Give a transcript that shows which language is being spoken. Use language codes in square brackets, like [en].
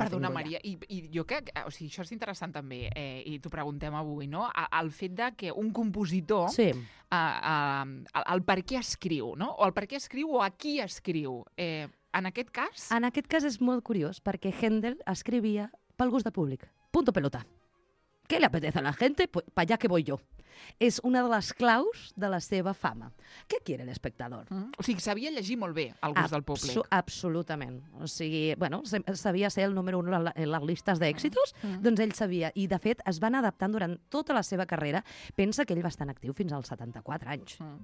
[ca] Perdona, Maria, i jo crec, o sigui, això és interessant també, i t'ho preguntem avui, no? El fet de que un compositor... Sí. El per què escriu, no? O el per què escriu o a qui escriu. En aquest cas... En aquest cas és molt curiós, perquè Händel escrivia pel gust de públic. [es] Punto pelota. ¿Qué le apetece a la gente? Pues para allá que voy yo. [ca] És una de les claus de la seva fama. Què [es] quiere el espectador? [ca] O sigui, sabia llegir molt bé el gust del públic. Absolutament. O sigui, bueno, sabia ser el número 1 en les listes d'èxitos, doncs ell sabia. I, de fet, es van adaptant durant tota la seva carrera. Pensa que ell va estar en actiu fins als 74 anys.